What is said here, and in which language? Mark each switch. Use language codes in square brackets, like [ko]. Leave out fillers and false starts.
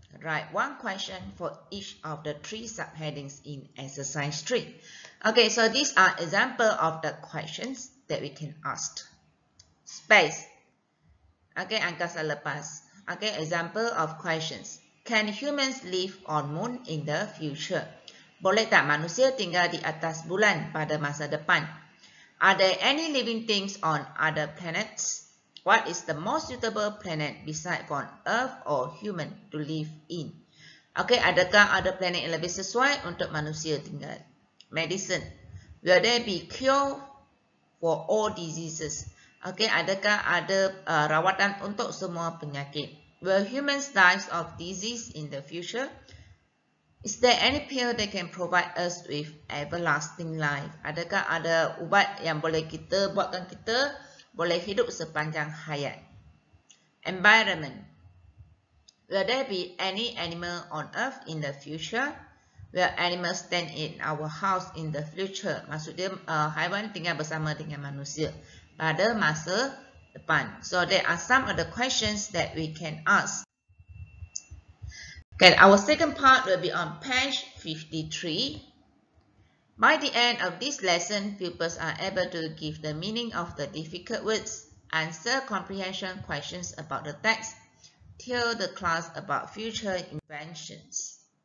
[en] Write one question for each of the three subheadings in exercise 3. Okay, so these are examples of the questions that we can ask. Space. Okay, [ms] angkasa lepas. [en] Okay, example of questions. Can humans live on moon in the future? [ms] Boleh tak manusia tinggal di atas bulan pada masa depan? [en] Are there any living things on other planets? What is the most suitable planet beside for Earth or human to live in? [ms] Okay, adakah ada planet yang lebih sesuai untuk manusia tinggal? [en] Medicine. Will there be cure for all diseases? [ms] Okay, adakah ada rawatan untuk semua penyakit? [en] Will humans die of disease in the future? Is there any pill that can provide us with everlasting life? [ms] Adakah ada ubat yang boleh kita buatkan kita boleh hidup sepanjang hayat? [en] Environment. Will there be any animal on earth in the future? Will animals stand in our house in the future? [ms] Maksudnya haiwan tinggal bersama dengan manusia pada masa depan. [en] So there are some of the questions that we can ask. Okay, our second part will be on page 53. By the end of this lesson, pupils are able to give the meaning of the difficult words, answer comprehension questions about the text, tell the class about future inventions.